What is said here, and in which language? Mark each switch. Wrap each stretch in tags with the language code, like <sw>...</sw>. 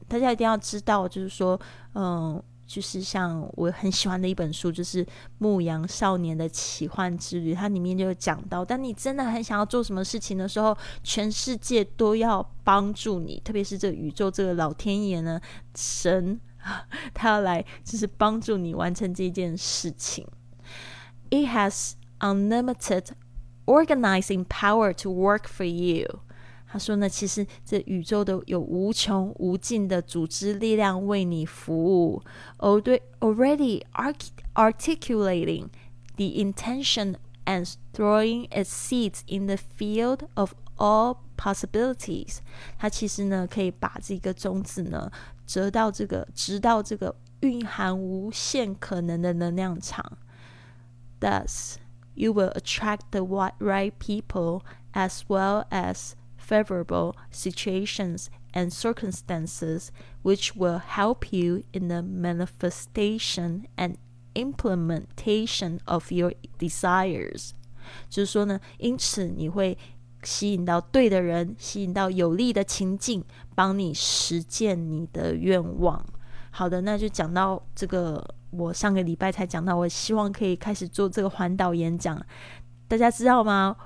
<zh>大家一定要知道，就是说就是像我很喜欢的一本书，就是《牧羊少年的奇幻之旅》，它里面就有讲到，当你真的很想要做什么事情的时候，全世界都要帮助你，特别是这宇宙这个老天爷呢，神他要来就是帮助你完成这件事情。</zh> <en>It has unlimited organizing power to work for you。</en> <zh>他说呢，其实这宇宙都有无穷无尽的组织力量为你服务。</zh> <en>Already articulating the intention and throwing its seeds in the field of all possibilities。</en> <zh>他其实呢可以把这个种子呢折到这个直到这个蕴含无限可能的能量场。</zh> <en>Thus you will attract the right people as well asfavorable situations and circumstances which will help you in the manifestation and implementation of your desires。</en> <zh>就是说呢，因此你会吸引到对的人，吸引到有利的情境，帮你实践你的愿望。好的，那就讲到这个，我上个礼拜才讲到我希望可以开始做这个环岛演讲。大家知道吗？</zh>